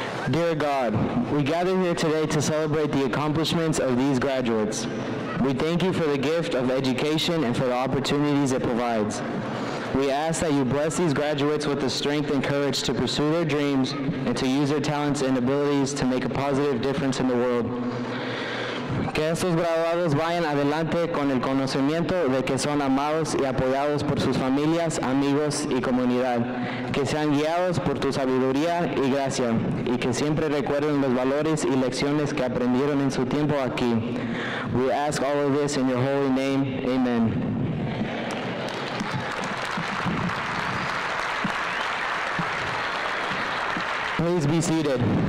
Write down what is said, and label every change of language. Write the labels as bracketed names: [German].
[English] Dear God, we gather here today to celebrate the accomplishments of these graduates. We thank you for the gift of education and for the opportunities it provides. We ask that you bless these graduates with the strength and courage to pursue their dreams and to use their talents and abilities to make a positive difference in the world. [Spanish] Que estos graduados vayan adelante con el conocimiento de que son amados y apoyados por sus familias, amigos y comunidad. Que sean guiados por tu sabiduría y gracia, y que siempre recuerden los valores y lecciones que aprendieron en su tiempo aquí. [English] We ask all of this in your holy name. Amen. Please be seated.